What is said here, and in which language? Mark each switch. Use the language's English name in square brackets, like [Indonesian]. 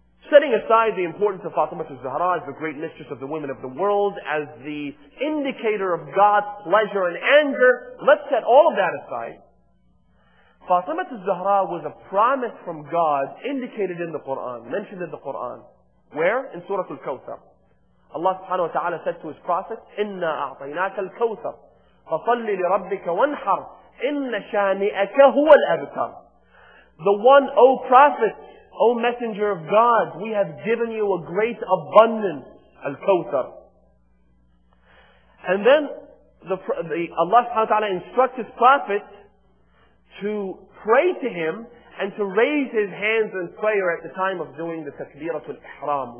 [English] Setting aside the importance of Fatima al-Zahra as the great mistress of the women of the world, as the indicator of God's pleasure and anger, let's set all of that aside. Fatima al-Zahra was a promise from God indicated in the Qur'an, mentioned in the Qur'an. Where? In Surah Al-Kawthar. Allah subhanahu wa ta'ala said to his prophet, [Arabic] إِنَّا أَعْطَيْنَاكَ الْكَوْثَرِ فَصَلِّ لِرَبِّكَ وَانْحَرْ إِنَّ شَانِئَكَ هُوَ الْأَبْتَرِ. [English] The one, O prophet, O messenger of God, we have given you a great abundance, Al-Kawthar. And then Allah subhanahu wa ta'ala instructs his prophet to pray to him and to raise his hands in prayer at the time of doing the takbiratul ihram.